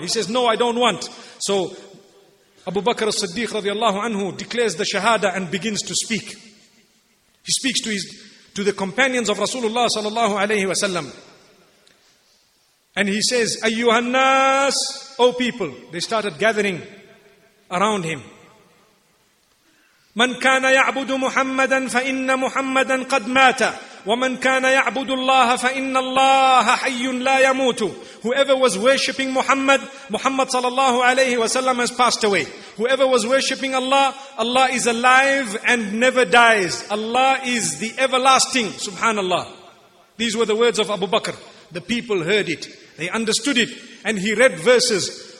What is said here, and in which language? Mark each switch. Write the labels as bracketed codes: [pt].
[en] He says, no, I don't want. So Abu Bakr as-Siddiq radiallahu anhu declares the shahada and begins to speak. He speaks to the companions of Rasulullah sallallahu alayhi wa sallam. And he says, [ar] Ayyuhan nas, [en] O people, they started gathering around him. [ar] من كان يعبد محمدا فإن محمدا قد مات ومن كان يعبد الله فإن الله حي لا يموت. [en] Whoever was worshipping Muhammad, Muhammad sallallahu alayhi wa sallam has passed away. Whoever was worshipping Allah, Allah is alive and never dies. Allah is the everlasting. Subhanallah. These were the words of Abu Bakr. The people heard it. They understood it. And he read verses.